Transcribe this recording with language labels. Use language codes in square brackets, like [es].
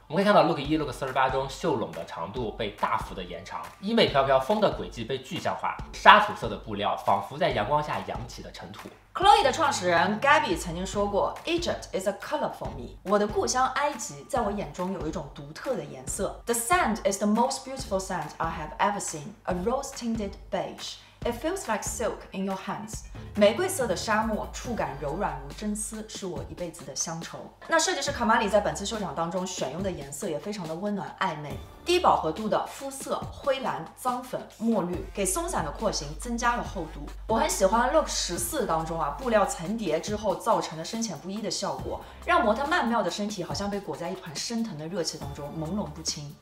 [zh] 我们可以看到 look 1 look 48中袖笼的长度被大幅的延长，衣袂飘飘风的轨迹被具象化，沙土色的布料仿佛在阳光下扬起的尘土。 Chloe 的创始人 Gabby 曾经说过， [en] Egypt is a color for me， [zh] 我的故乡埃及在我眼中有一种独特的颜色。 [en] The sand is the most beautiful sand I have ever seen， a rose tinted beige， it feels like silk in your hands。 [zh] 玫瑰色的沙漠触感柔软如真丝，是我一辈子的乡愁。那设计师卡玛里在本次秀场当中选用的颜色也非常的温暖暧昧，低饱和度的肤色灰蓝脏粉墨绿给松散的廓形增加了厚度。我很喜欢 look 14当中啊布料层叠之后造成的深浅不一的效果，让模特曼妙的身体好像被裹在一团升腾的热气当中朦胧不清。